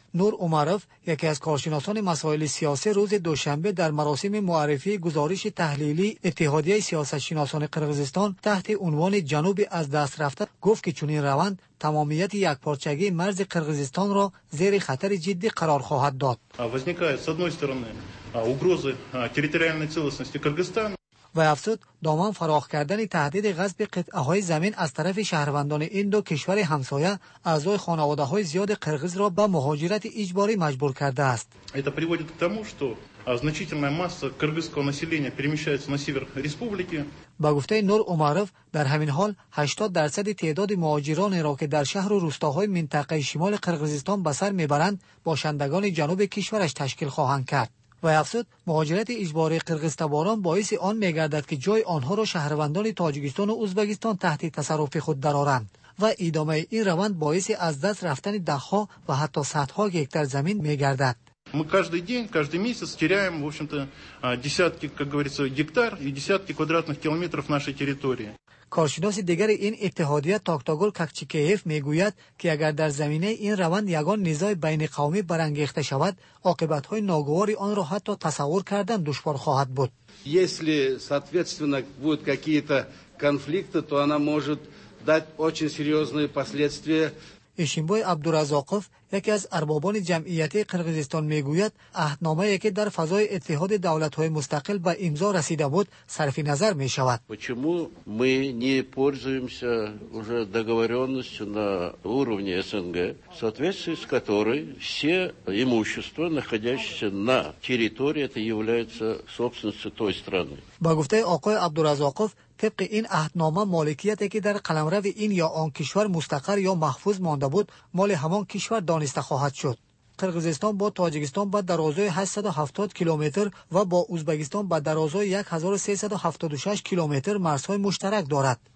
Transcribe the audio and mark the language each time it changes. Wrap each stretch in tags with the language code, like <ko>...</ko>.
<fa>نور عمروف، یکی از کارشناسان مسائل سیاسی، روز دوشنبه در مراسم معرفی گزارش تحلیلی اتحادیه سیاست‌شناسان قرقیزستان تحت عنوان جنوب از دست رفته، گفت که چنین روند تمامیت یکپارچگی مرز قرقیزستان را زیر خطر جدی قرار خواهد داد. و افزود دامن فراخ کردن تهدید غصب قطعه های زمین از طرف شهروندان این دو کشور همسایه اعضای خانواده های زیاد قرقیز را به مهاجرت اجباری مجبور کرده است.</fa> <ru>Это приводит к тому, что значительная масса кыргызского населения перемещается на север республики.</ru> <fa>با گفته نور عمروف، در همین حال 80% تعداد مهاجران را که در شهر و روستاهای منطقه شمال قرقیزستان به سر میبرند، باشندگان جنوب کشورش تشکیل خواهند کرد. و افزود مهاجرت اجباری قرقیزتباران باعث آن می‌گردد که جای آنها را شهروندان تاجیکستان و ازبکستان تحت تصرف خود درآورند. و ادامه این روند باعث از دست رفتن ده ها و حتی صدها هکتار زمین می گردد.</fa> <ru>Мы каждый день, каждый месяц теряем, в общем-то, десятки, как говорится, гектар и десятки квадратных километров нашей территории.</ru> <tg>Корчиноси дегар ин иттиҳодия Токтогул Какчикеев мегуяд, ки агар дар заминаи ин раванд ягон низои байни қавми барангехта шавад, оқибатҳои ногувори онро ҳатто тасаввур кардан душвор хоҳад буд.</tg> <ru>Если, соответственно, будут какие-то конфликты, то она может дать очень серьёзные последствия.</ru> <tg>Ишимбой Абдуразоқов, яке аз арбобони ҷамъияти Қирғизистон мегуяд, аҳдномае ки дар фазои Иттиҳоди давлатҳои мустақил ба имзо расида буд, сарфи назар мешавад.</tg> <ru>Почему мы не пользуемся уже договорённостью на уровне СНГ, в соответствии с которой все имущества, находящиеся на территории, это является собственностью той страны.</ru> <tg>Ба гуфтаи оқои Абдуразоқов,</tg> <fa>طبقی این عهدنامه مالکیتی که در قلمرو این یا آن کشور مستقر یا محفوظ مانده بود مال همان کشور دانسته خواهد شد. قرغیزستان با تاجیکستان با درازای 870 کیلومتر و با ازبکستان با درازای 1376 کیلومتر مرزهای مشترک دارد.</fa>